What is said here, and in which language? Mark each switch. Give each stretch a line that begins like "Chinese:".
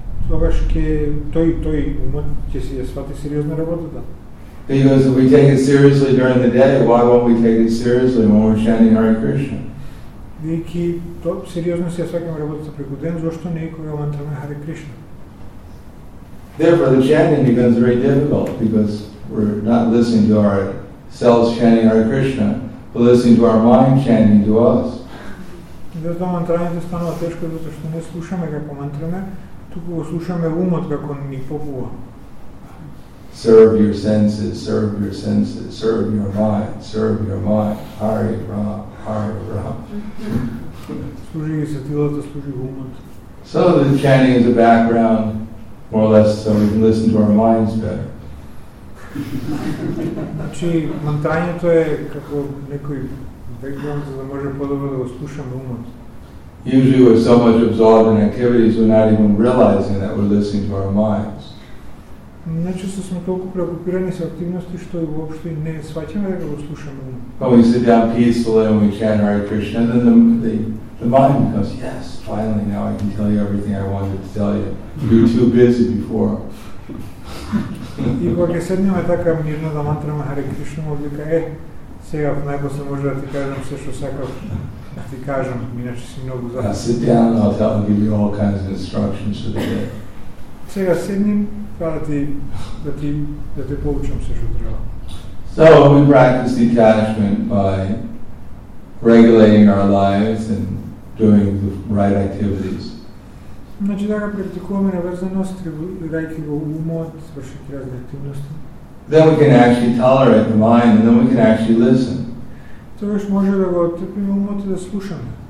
Macedonian: Тогаш ќе тој умот ќе си ја свати сериозна работата.
English: Because if we take it seriously during the day, why won't we take it seriously when we're chanting Hare Krishna?
Macedonian: Бидејќи то сериозно си ја сакам работата преку ден, зошто не кога мантраме Hare Krishna?
English: Therefore, the chanting becomes very difficult because we're not listening to our selves chanting Hare Krishna, but listening to our mind chanting to us.
Macedonian: Затоа мантрањето станува тешко затоа што не слушаме како мантраме, туку го слушаме умот како ни попува.
English: Serve your senses, serve your senses, serve your mind, serve your mind.
Sanskrit: Hare Ram, Hare Ram.
Macedonian: Служи ги сетилата, служи го умот.
English: So the chanting is a background, more or less, so we can listen to our minds better.
Macedonian: Значи, мантрањето е како некој бекграунд, за да може подобро да го слушаме умот.
English: Usually we're so much absorbed in activities, we're not even realizing that we're listening to our minds.
Macedonian: Најчесто сме толку преокупирани со активности што воопшто и не сваќаме дека го слушаме умот.
English: When we sit down peacefully and we chant Hare Krishna, then the mind goes, yes, finally now I can tell you everything I wanted to tell you. You were too busy before.
Macedonian: И кога ќе седнеме така мирно да мантраме Hare Krishna, може да кажа, сега најпосле може да ти кажам се што сакав да ти кажам, иначе си многу запознат.
English: Sit down and I'll give you all kinds of instructions for the day.
Macedonian: Сега седни, да ти поучам се што треба.
English: So we practice detachment by regulating our lives and doing the right activities.
Macedonian: Значи така практикуваме наврзаност, регулирајќи го умот, вршејќи разни активности.
English: Then we can actually tolerate the mind and then we can actually listen.
Macedonian: Тогаш може да го трпиме умот и да слушаме.